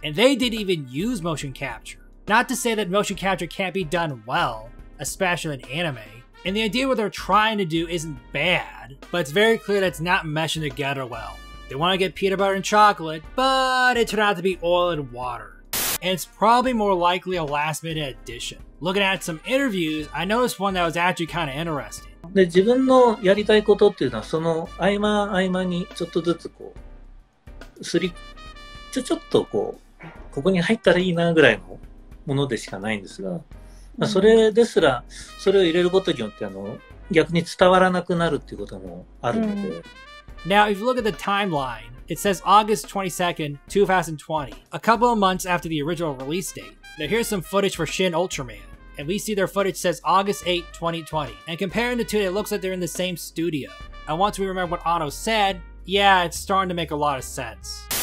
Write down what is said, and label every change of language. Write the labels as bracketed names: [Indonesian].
[English] And they didn't even use motion capture. Not to say that motion capture can't be done well, especially in anime, and the idea of what they're trying to do isn't bad, but it's very clear that it's not meshing together well. They want to get peanut butter and chocolate, but it turned out to be oil and water. And it's probably more likely a last minute addition. Looking at some interviews, I noticed one that was actually kind of interesting. [Japanese] で自分のやりたいことっていうのはその合間合間にちょっとずつこうすりちょっとこうここに入ったらいいなぐらいのものでしかないんですが、まあ、それですらそれを入れることによってあの逆に伝わらなくなるっていうこともあるので、うん、 [English] Now if you look at the timeline, it says August 22nd, 2020, a couple of months after the original release date. Now here's some footage for Shin Ultraman. And we see their footage says August 8, 2020. And comparing the two, it looks like they're in the same studio. And once we remember what Anno said, yeah, it's starting to make a lot of sense.